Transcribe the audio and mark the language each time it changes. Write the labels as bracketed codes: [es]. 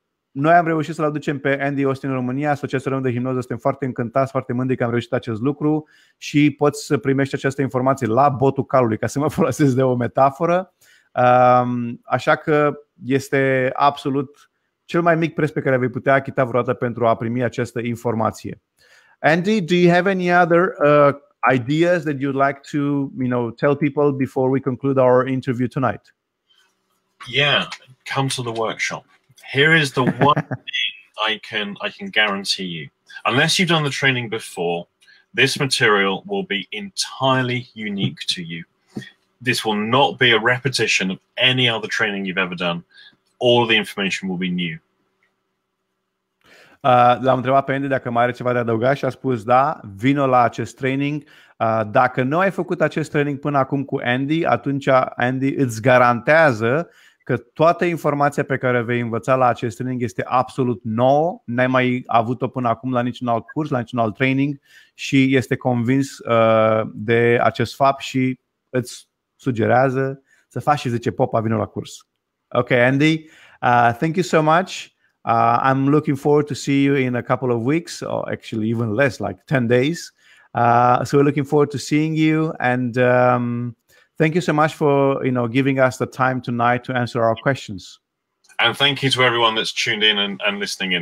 [ro] Noi am reușit să-l aducem pe Andy Austin în România, Asociația Română de Hipnoză, suntem foarte încântați, foarte mândri că am reușit acest lucru și poți să primești această informație la botul calului, ca să mă folosesc de o metaforă. Așa că este absolut cel mai mic preț pe care vei putea achita vreodată pentru a primi această informație. [en] Andy, do you have any other ideas that you'd like to, you know, tell people before we conclude our interview tonight? Yeah, come to the workshop. Here is the one thing I can guarantee you. Unless you've done the training before, this material will be entirely unique to you. This will not be a repetition of any other training you've ever done. All of the information will be new. [ro] L-am întrebat pe Andy dacă mai are ceva de adăugat și a spus da, vino la acest training. Dacă nu ai făcut acest training până acum cu Andy, atunci Andy îți garantează că toată informația pe care vei învăța la acest training este absolut nouă, n-ai mai avut-o până acum la niciun alt curs, la niciun alt training și este convins de acest fapt și îți sugerează să faci și zice popa, vino la curs. [en] Ok, Andy, thank you so much. I'm looking forward to see you in a couple of weeks, or actually even less, like 10 days. So we're looking forward to seeing you and... thank you so much for, you know, giving us the time tonight to answer our questions. And thank you to everyone that's tuned in and listening in.